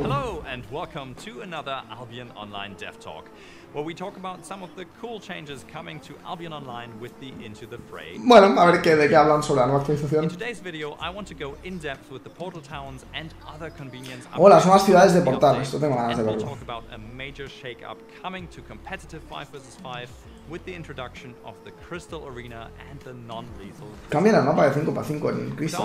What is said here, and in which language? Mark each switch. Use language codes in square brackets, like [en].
[en] Hello and welcome to another Albion Online Dev Talk, where we talk about some of the cool changes coming to Albion Online with the Into the Fray. [es] Bueno, a ver de qué hablan sobre la nueva actualización. [en] In today's video, I want to go in depth with the portal towns and other convenience. [es] Hola, son las ciudades de portal. Esto tengo ganas de verlo. [en] We'll talk about a major shakeup coming to competitive 5v5 with the introduction of the Crystal Arena and the non-lethal. [es] Cambian el mapa de 5v5 en Crystal,